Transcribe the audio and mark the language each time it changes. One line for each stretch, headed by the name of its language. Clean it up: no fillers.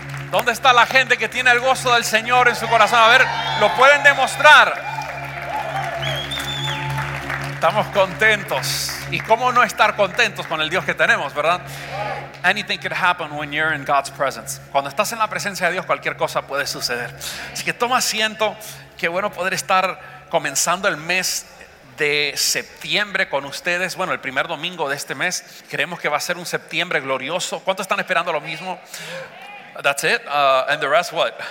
Spanish: ¿Dónde está la gente que tiene el gozo del Señor en su corazón? A ver, lo pueden demostrar. Estamos contentos. ¿Y cómo no estar contentos con el Dios que tenemos, verdad?
English: Anything can happen when you're in God's presence.
Spanish: Cuando estás en la presencia de Dios, cualquier cosa puede suceder. Así que toma asiento. Qué bueno poder estar comenzando el mes de septiembre con ustedes. Bueno, el primer domingo de este mes. Creemos que va a ser un septiembre glorioso. ¿Cuántos están esperando lo mismo?
English: That's it. And the rest, what?